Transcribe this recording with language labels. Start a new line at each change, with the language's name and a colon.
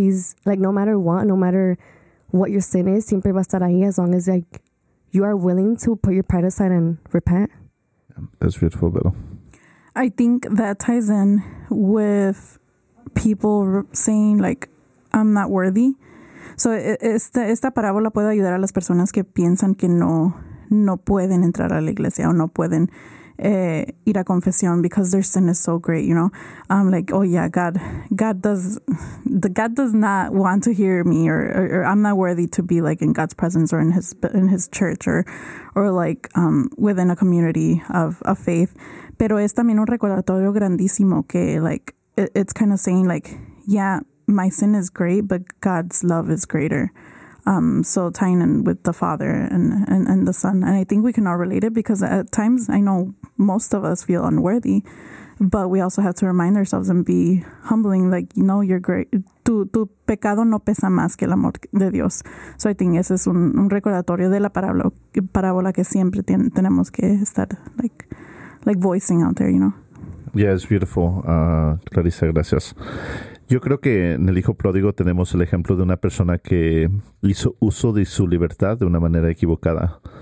English: He's, like, no matter what, no matter what your sin is,
Spanish: siempre va a estar ahí
English: as long as, like, you are willing to put your pride aside and repent. That's beautiful, Bella. I think that ties in with people saying, like, I'm not worthy.
Spanish: So esta parábola puede ayudar a las personas que piensan que no pueden entrar a la iglesia o no pueden ir a confesión
English: because their sin is so great, you know. I'm like, oh yeah, God does not want to hear me or I'm not worthy to be like in God's presence or in his church or like within a community of faith.
Spanish: Pero es también un recordatorio grandísimo que
English: like it's kind of saying like, yeah, my sin is great, but God's love is greater. So tying in with the Father and the Son. And I think we can all relate it because at times I know most of us feel unworthy, but we also have to remind ourselves and be humbling. Like, you know, you're great.
Spanish: Tu pecado no pesa más que el amor de Dios.
English: So I think
Spanish: ese es un recordatorio de la parábola que siempre tenemos que estar
English: like voicing out there, you know? Yeah, it's beautiful. Clarissa, gracias.
Spanish: Yo creo que en el Hijo Pródigo tenemos el ejemplo de una persona que hizo uso de su libertad de una manera equivocada.